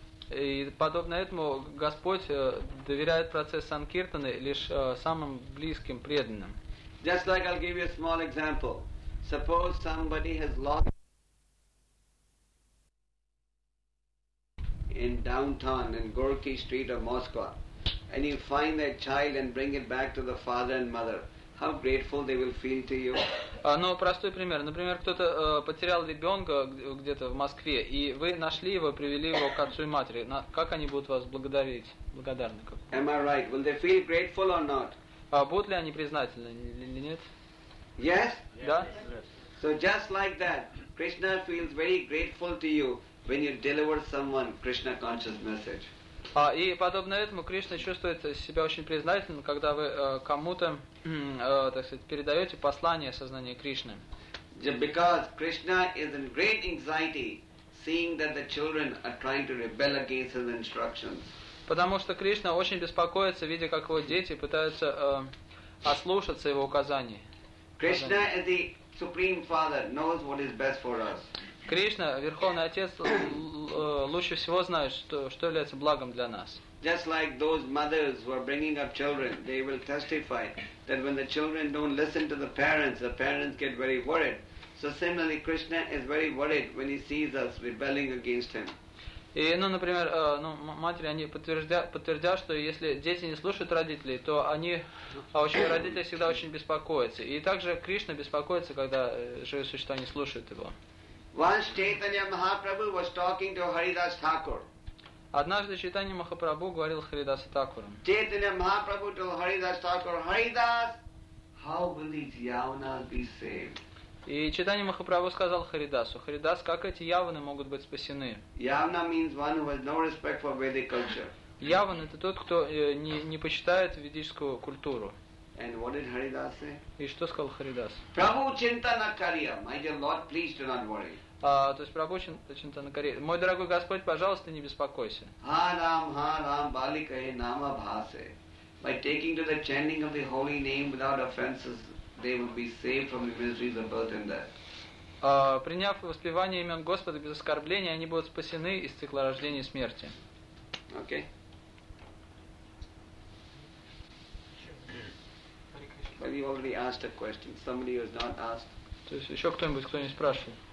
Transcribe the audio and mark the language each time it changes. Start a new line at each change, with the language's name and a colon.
Russian: И подобно этому Господь доверяет процесс санкиртаны лишь самым близким преданным.
English: Just like I'll give you a small example. Suppose somebody has lost in downtown in Gorky Street of Moscow, and you find that child and bring it back to the father and mother. How grateful they will feel to you.
Russian: Ну, простой пример. Например, кто-то потерял ребенка где-то в Москве, и вы нашли его, привели его к отцу и матери. Как они будут вас благодарить? Благодарны?
English: Am I right? Will they feel grateful or not?
Russian: Будут ли они признательны или нет?
English: Yes?
Russian: Да?
English: So just like that, Krishna feels very grateful to you when you deliver someone Krishna conscious message.
Russian: И подобно этому Кришна чувствует себя очень признательным, когда вы кому-то, так сказать, передаете послание сознания Кришны.
English: Because Krishna is in great anxiety seeing that the children are trying to rebel against his instructions.
Russian: Потому что Кришна очень беспокоится, видя, как его дети пытаются ослушаться его указаний.
English: Krishna as the Supreme Father knows what is best for us.
Russian: Кришна, Верховный Отец, лучше всего знает, что является благом для нас.
English: Just like those mothers who are bringing up children, they will testify that when the children don't listen to the parents get very worried. So similarly, Krishna is very worried when he sees us rebelling against him.
Russian: И, ну, например, ну, матери, они подтвердят, что если дети не слушают родителей, то они, родители всегда очень беспокоятся. И также Кришна беспокоится, когда живые существа не слушают его.
English: Once Chaitanya Mahaprabhu was talking to Haridas Thakur.
Russian: Однажды Чайтанья Махапрабху говорил Харидасу Такуру.
English: Chaitanya Mahaprabhu told Haridas Thakur, Haridas, how will these yavanas be saved?
Russian: И Чайтанья Махапрабху сказал Харидасу, Харидас, как эти яваны могут быть спасены?
English: Yavana means one who has no respect for Vedic culture.
Russian: Яван это тот, кто не почитает ведическую культуру.
English: And what did Haridas say?
Russian: И что сказал Харидас?
Bangla: Prabhu Chintana Kariya,
English: my dear Lord, please do not worry.
Russian: То есть
Bangla: Prabhu Chintana Kariya,
Russian: мой дорогой Господь, пожалуйста, не беспокойся.
Bangla: Ha Ram, Bali kahe nama bhase.
English: By taking to the chanting of the holy name without offenses, they will be saved from the miseries of birth and death.
Russian: Приняв воспевание имен Господа без оскорбления, они будут спасены из цикла рождения и смерти.
English: Okay. But you already asked a question. Somebody was not asked.
Russian: То есть еще кто-нибудь, кто не спрашивал?